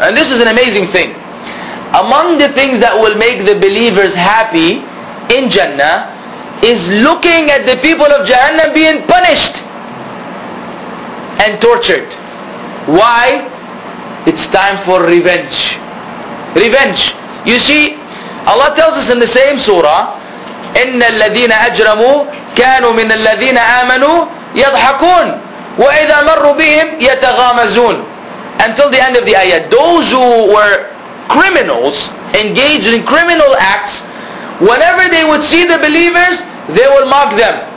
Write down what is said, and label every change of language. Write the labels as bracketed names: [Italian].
[English] And this is an amazing thing. Among the things that will make the believers happy in Jannah is looking at the people of Jahannam being punished and tortured. Why? It's time for revenge. revenge. You see, Allah tells us in the same surah, [Arabic] إِنَّ الَّذِينَ أَجْرَمُوا كَانُوا مِنَ الَّذِينَ آمَنُوا يَضْحَكُونَ وَإِذَا مَرُّوا بِهِمْ يَتَغَامَزُونَ. [English] Until the end of the ayah, those who were criminals, engaged in criminal acts, whenever they would see the believers, they would mock them.